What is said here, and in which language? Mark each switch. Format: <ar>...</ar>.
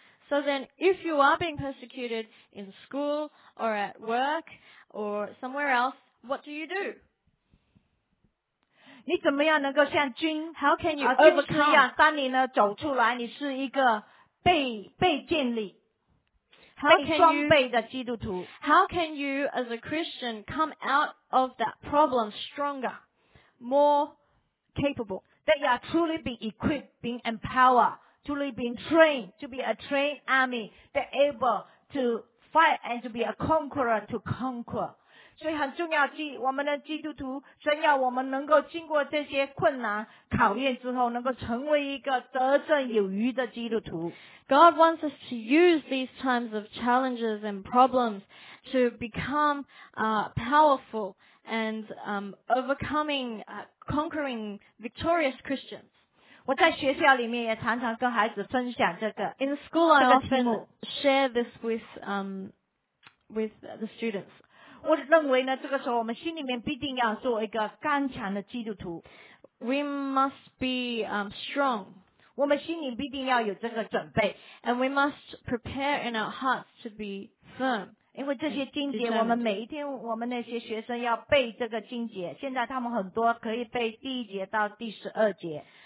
<en>So then, if you are being persecuted in school or at work or somewhere else, what do you do?</en> <zh>你怎么样能够像军</zh> <en>How can you overcome?</en> <zh>一样当你呢走出来你是一个被建立被装备的基督徒。</zh> <en>How can you as a Christian come out of that problem stronger, more capable, that you are truly being equipped, being empowered, truly being trained to be a trained army, that able to fight and to be a conqueror to conquer.</en> <zh>所以很重要，我们的基督徒真要我们能够经过这些困难考验之后，能够成为一个得胜有余的基督徒。</zh> <en>God wants us to use these times of challenges and problems to become powerful and overcoming, conquering victorious Christians.</en> <zh>我在学校里面也常常跟孩子分享这个。</zh> <en>In school, I often share this with the students.</en> <zh>我认为呢，这个时候我们心里面必定要做一个刚强的基督徒。</zh> <en>We must be strong.</en> <zh>我们心里必定要有这个准备。</zh> <en>And we must prepare in our hearts to be firm.</en> <zh>因为这些经节我们每一天我们那些学生要背这个经节，现在他们很多可以背第一节到第十二节。</zh>